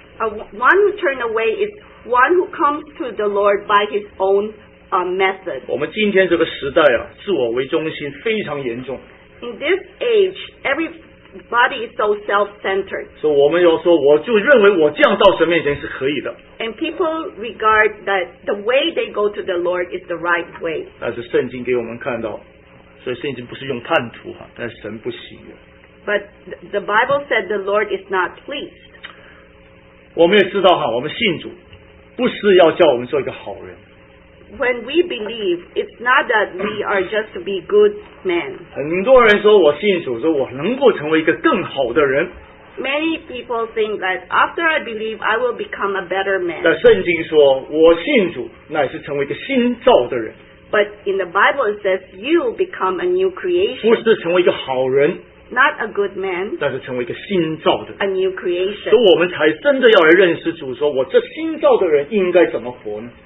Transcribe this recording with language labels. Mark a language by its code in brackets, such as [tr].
[en] One who turned away is one who comes to the Lord by his own method. [zh] 我们今天这个时代啊，自我为中心非常严重。 [en] In this age, everybody is so self-centered. [zh] So, 我们有说，我就认为我这样到神面前是可以的。 [en] And people regard that the way they go to the Lord is the right way. [zh] 但是圣经给我们看到，所以圣经不是用叛徒哈，但是神不喜悦。 [en] But the Bible said the Lord is not pleased. [zh] 我们也知道哈，我们信主不是要叫我们做一个好人。 [en] When we believe, it's not that we are just to be good men. [zh] 很多人说我信主，说我能够成为一个更好的人。 [en] Many people think that after I believe, I will become a better man. [zh] 但圣经说，我信主乃是成为一个新造的人。 [en] But in the Bible, it says you become a new creation. [zh] 不是成为一个好人。 [en] not a good man, [zh] 但是成为一个新造的人, [en] a new creation. [zh] 所以我们才真的要来认识主说我这新造的人应该怎么活呢?